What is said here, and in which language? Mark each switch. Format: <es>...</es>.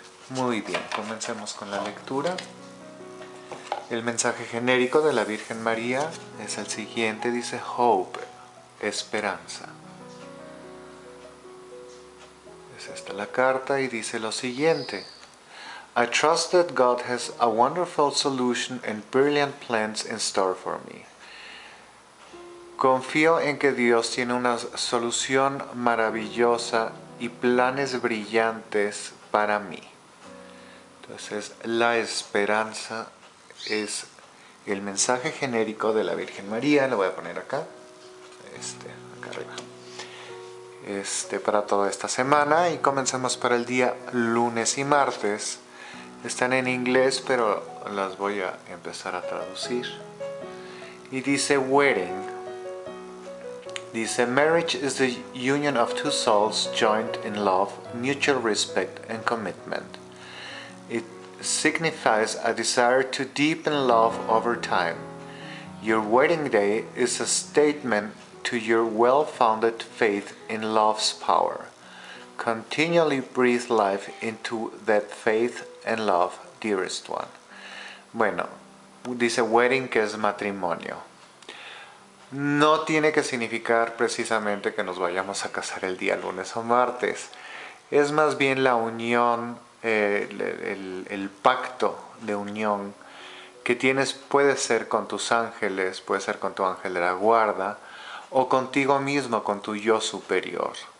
<es>Muy bien, comencemos con la lectura. El mensaje genérico de la Virgen María es el siguiente. Dice Hope, esperanza. Es esta la carta y dice lo siguiente.</es> <en>I trust that God has a wonderful solution and brilliant plans in store for me.</en> <es>Confío en que Dios tiene una solución maravillosa y planes brillantes para mí. Entonces, la esperanza es el mensaje genérico de la Virgen María. Lo voy a poner acá, acá arriba. Para toda esta semana, y comenzamos para el día lunes y martes. Están en inglés, pero las voy a empezar a traducir. Y dice wedding.</es> <en>Dice, marriage is the union of two souls joined in love, mutual respect and commitment. It signifies a desire to deepen love over time. Your wedding day is a statement to your well-founded faith in love's power. Continually breathe life into that faith and love, dearest one.</en> <es>Bueno, dice wedding que es matrimonio. No tiene que significar precisamente que nos vayamos a casar el día lunes o martes. Es más bien la unión, el pacto de unión que tienes. Puede ser con tus ángeles, puede ser con tu ángel de la guarda, o contigo mismo, con tu yo superior.</es>